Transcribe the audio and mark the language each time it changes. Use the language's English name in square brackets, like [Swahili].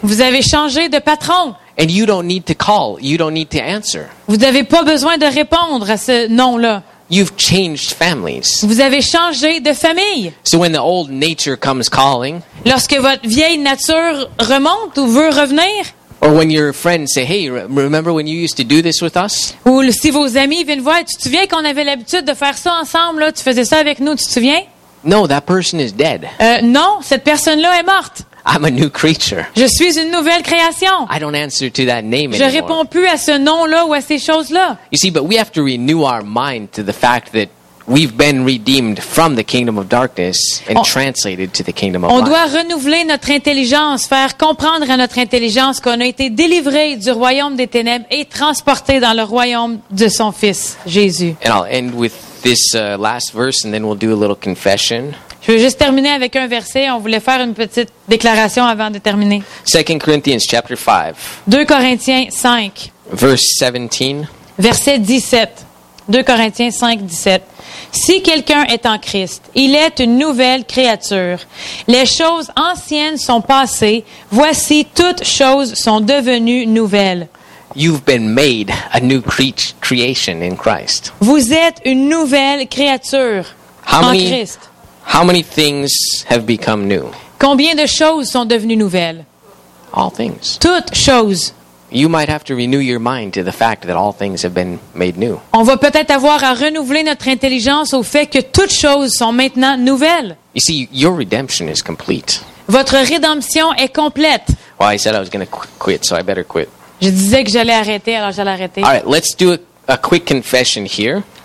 [French] Vous avez changé de patron. [English] And you don't need to call. You don't need to answer. [French] Vous n'avez pas besoin de répondre à ce nom-là. [English] You've changed families. [French] Vous avez changé de famille. [English] So when the old nature comes calling, [French] lorsque votre vieille nature remonte ou veut revenir, [English] or when your friends say, "Hey, remember when you used to do this with us?" [French] Ou si vos amis viennent voir, tu te souviens qu'on avait l'habitude de faire ça ensemble, là, tu faisais ça avec nous, tu te souviens? [English] No, that person is dead. [French] Non, cette personne-là est morte. [English] I'm a new creature. [French] Je suis une nouvelle création. [English] I don't answer to that name [French] anymore. Je réponds plus à ce nom-là ou à ces choses-là. [English] You see, but we have to renew our mind to the fact that we've been redeemed from the kingdom of darkness and translated to the kingdom of light. [French] On doit renouveler notre intelligence, faire comprendre à notre intelligence qu'on a été délivré du royaume des ténèbres et transporté dans le royaume de son fils Jésus. [English] And I'll end with this last verse and then we'll do a little confession. [French] Je veux juste terminer avec un verset, on voulait faire une petite déclaration avant de terminer. [English] 2 Corinthians chapter 5. [French] 2 Corinthiens 5. [English] Verse 17. [French] Verset 17. 2 Corinthiens 5, 17. Si quelqu'un est en Christ, il est une nouvelle créature. Les choses anciennes sont passées. Voici, toutes choses sont devenues nouvelles. [English] You've been made a new creation in Christ. [French] Vous êtes une nouvelle créature en Christ. [English] How many things have become new? [French] Combien de choses sont devenues nouvelles? [English] all things. [French] Toutes choses. [English] You might have to renew your mind to the fact that all things have been made new. [French] On va peut-être avoir à renouveler notre intelligence au fait que toutes choses sont maintenant nouvelles. [English] You see, your redemption is complete. [French] Votre rédemption est complète. [English] Well, I said I was going to quit, so I better quit. [French] Je disais que j'allais arrêter, alors j'allais arrêter. [English] All right, let's do a quick confession here.